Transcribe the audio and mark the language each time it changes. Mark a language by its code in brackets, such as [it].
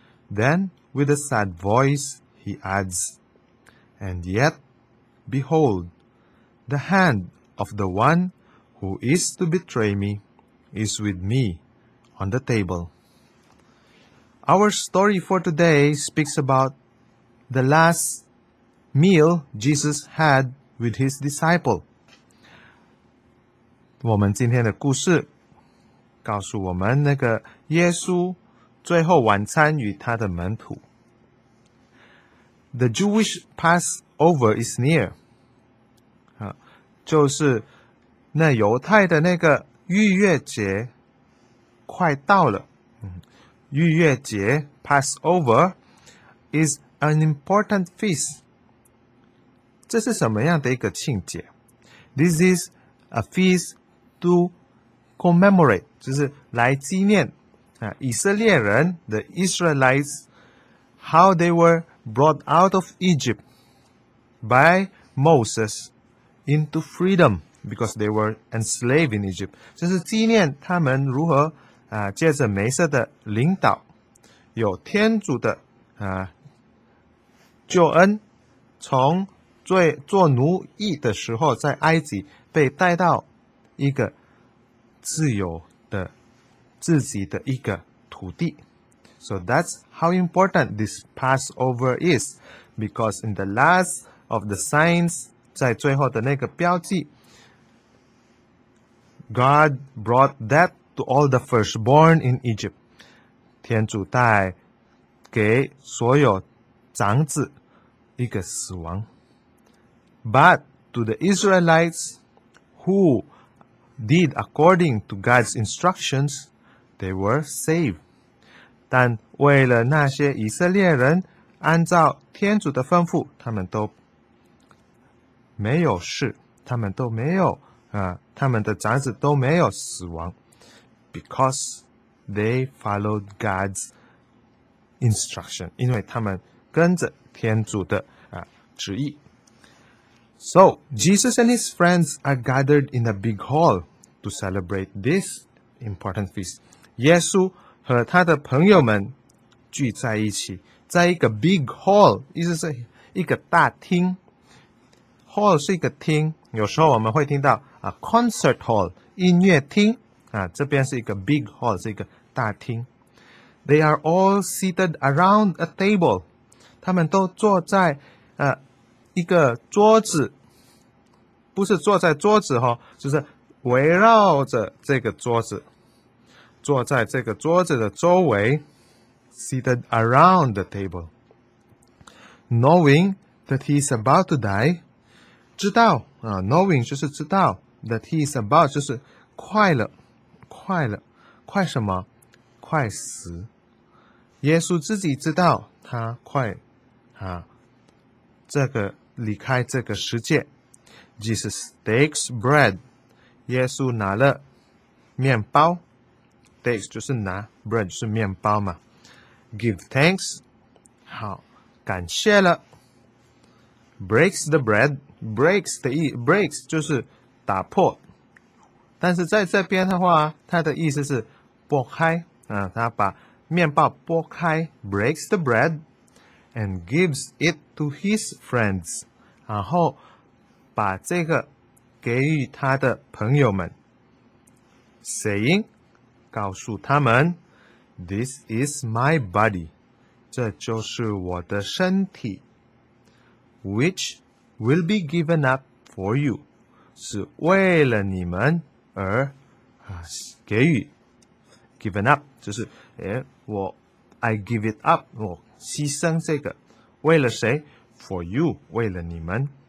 [en] Then, with a sad voice, he adds, "And yet, behold, the hand of the one who is to betray me is with me on the table." Our story for today speaks about the last meal Jesus had with his disciple. [zh] 我们今天的故事告诉我们那个耶稣最后晚餐与他的门徒。 [en] The Jewish Passover is near. [zh] 就是那犹太的那个逾越节快到了。逾越节 Passover is an important feast. 这是什么样的一个庆节？ [en] This is a feast to commemorate. [zh] 就是来纪念、以色列人 [en] the Israelites how they were brought out of Egypt by Moses into freedom because they were enslaved in Egypt [zh] 就是纪念他们如何、借着梅瑟的领导有天主的、救恩从做奴役的时候在埃及被带到一个自由自己的一个土地。 [en] So that's how important this Passover is, because in the last of the signs, [zh] 在最后的那个标记 [en] God brought death to all the firstborn in Egypt. [zh] 天主带给所有长子一个死亡。 [en] But to the Israelites who did according to God's instructions,They were saved. [zh] 但为了那些以色列人按照天主的吩咐他们都没有事他们都没有、他们的长子都没有死亡 [en] Because they followed God's instruction. [zh] 因为他们跟着天主的、旨意。 [en] So, Jesus and his friends are gathered in a big hall to celebrate this important feast. [zh] 耶稣和他的朋友们聚在一起在一个 big hall 意思是一个大厅 hall 是一个厅有时候我们会听到、concert hall 音乐厅、这边是一个 big hall 是一个大厅 [en] they are all seated around a table [zh] 他们都坐在、一个桌子不是坐在桌子、就是围绕着这个桌子坐在这个桌子的周围 [en] seated around the table. Knowing that he is about to die, [zh] 知道、 [en] knowing [zh] 就是知道 [en] that he is about [zh] 就是快了快了快什么快死。耶稣自己知道他快、这个离开这个世界。 [en] Jesus takes bread. [zh] 耶稣拿了面包。 Takes 就是拿 ，bread 是面包嘛。 [en] Give thanks. [zh] 好，感谢了。 [en] Breaks the bread. [zh] Breaks 的意 ，breaks 就是打破。但是在这边的话，它的意思是剥开。他把面包剥开 ， [en] breaks the bread and gives it to his friends. [zh] 然后把这个给予他的朋友们 ，saying， 告诉他们 ， [en] This is my body， [zh] 这就是我的身体， [en] which will be given up for you， [zh] 是为了你们而给予 ，given up 就是我 [en] I give it up， [zh] 我牺牲这个，为了谁 ？ [en] For you， [zh] 为了你们。